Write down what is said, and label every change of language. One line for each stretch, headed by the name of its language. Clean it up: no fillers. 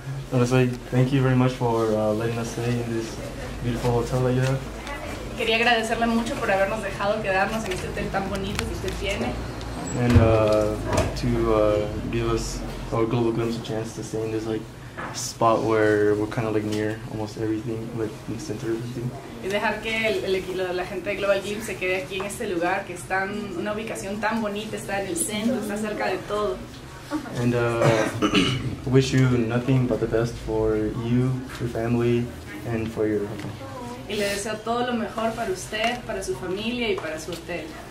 English: Honestly, thank you very much for letting us stay in this beautiful hotel that you have.
Spanish: Quería agradecerle mucho por habernos dejado quedarnos en este hotel tan bonito que usted tiene.
English: And to give us our global glimpse a chance to stay in this like spot where we're kind of like near almost everything, like in the center of everything.
Spanish: Y dejar que la gente de Global Glimpse se quede aquí en este lugar que está en una ubicación tan bonita, está en el centro, está cerca de todo.
English: And wish you nothing but the best for you, your family, and for your hotel.
Spanish: Y le deseo todo lo mejor para usted, para su familia y para su hotel.